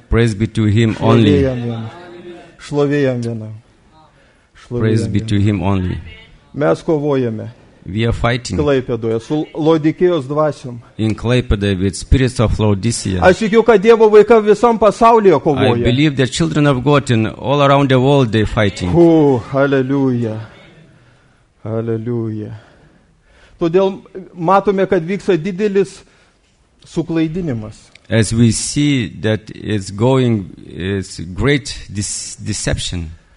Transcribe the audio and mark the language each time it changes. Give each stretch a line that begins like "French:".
English: Praise be to him only.
Lithuanian: Šlovė jam vienam.
English: Praise be to him only.
Lithuanian: Mes kovojame.
English: We are fighting.
Lithuanian: Klaipėdoje su Laodikėjos dvasiom.
English: In Klaipėda with spirits of Laodicea.
Lithuanian: Aš tikiu, kad Dievo vaika visam pasaulyje kovoja.
English: I believe that children of God in all around the world they fighting. Oh, hallelujah. Hallelujah.
Lithuanian: Todėl matome, kad vyksta didelis suklaidinimas.
English: As we see that it's going is great deception.